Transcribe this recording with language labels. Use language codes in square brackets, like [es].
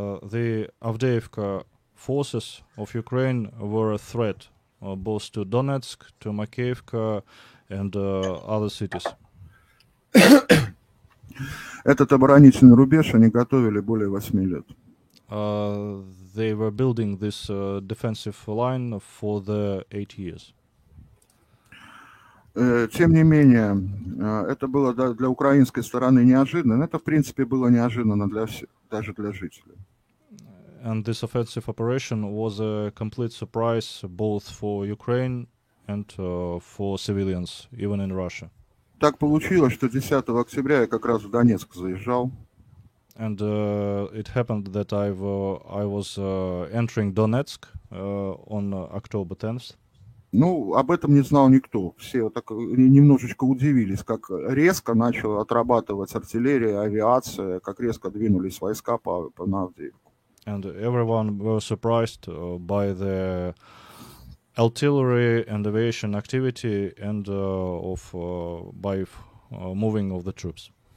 [en] The Avdeevka forces of Ukraine were a threat both to Donetsk, to Makeyevka and other cities. [ru] Этот оборонительный рубеж они готовили более 8 лет. [en] They were building this defensive line for the 8 years. [ru] Тем не менее, это было для украинской стороны неожиданно, но это в принципе было неожиданно для всех, даже для жителей. [en] And this offensive operation was a complete surprise both for Ukraine and for civilians, even in Russia. [ru] Так получилось, что 10 октября я как раз в Донецк заезжал. [en] And it happened that I was entering Donetsk on October 10th. [ru] Ну, об этом не знал никто. Все так немножечко удивились, как резко начала отрабатывать артиллерия, авиация, как резко двинулись войска по Авдеевке. [en] And everyone was surprised by the artillery and aviation activity and of by moving of the troops.